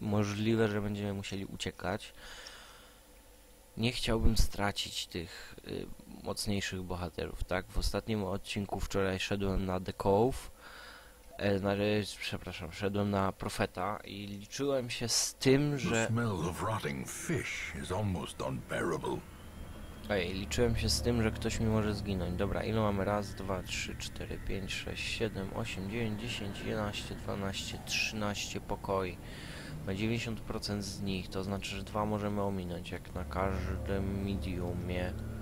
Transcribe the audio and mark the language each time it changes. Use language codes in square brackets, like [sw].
[pl] Możliwe, że będziemy musieli uciekać. Nie chciałbym stracić tych mocniejszych bohaterów, tak? W ostatnim odcinku wczoraj szedłem na The Cove. Przepraszam, szedłem na Profeta i liczyłem się z tym, że... [en] The smell of rotting fish is almost unbearable. [pl] Ej, liczyłem się z tym, że ktoś mi może zginąć. Dobra, ile mamy? Raz, dwa, trzy, cztery, pięć, sześć, siedem, osiem, dziewięć, dziesięć, jedenaście, dwanaście, trzynaście pokoi. Ma 90% z nich, to znaczy, że dwa możemy ominąć, jak na każdym mediumie.